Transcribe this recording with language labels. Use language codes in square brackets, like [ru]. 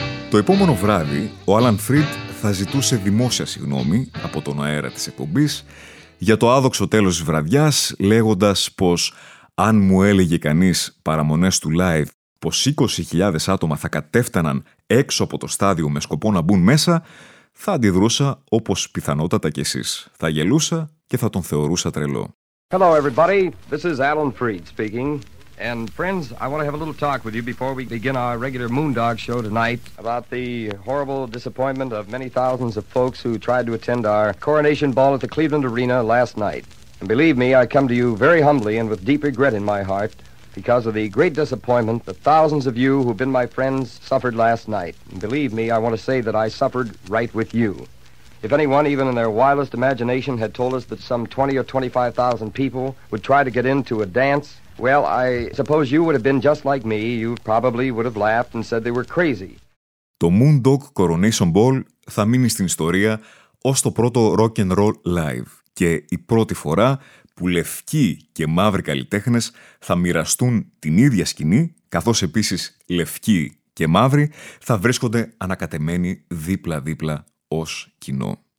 [el] Το επόμενο βράδυ, ο Alan Freed θα ζητούσε δημόσια συγγνώμη από τον αέρα της εκπομπής για το άδοξο τέλος της βραδιάς, λέγοντας πως αν μου έλεγε κανείς παραμονές του live πως 20.000 άτομα θα κατέφταναν έξω από το στάδιο με σκοπό να μπουν μέσα, θα αντιδρούσα όπως πιθανότατα κι εσείς. Θα γελούσα και θα τον θεωρούσα τρελό. [en] Hello everybody, this is Alan Freed speaking. And friends, I want to have a little talk with you before we begin our regular Moondog show tonight about the horrible disappointment of many thousands of folks who tried to attend our coronation ball at the Cleveland Arena last night. And believe me, I come to you very humbly and with deep regret in my heart because of the great disappointment that thousands of you who've been my friends suffered last night. And believe me, I want to say that I suffered right with you. If anyone, even in their wildest imagination, had told us that some 20 or 25,000 people would try to get into a dance, well, I suppose you would have been just like me. You probably would have laughed and said they were crazy. [el] Το Moondog Coronation Ball θα μείνει στην ιστορία ως το πρώτο rock and roll live και η πρώτη φορά που λευκοί και μαύροι καλλιτέχνες θα μοιραστούν την ίδια σκηνή, καθώς επίσης λευκοί και μαύροι θα βρίσκονται ανακατεμένοι δίπλα-δίπλα ως κοινό.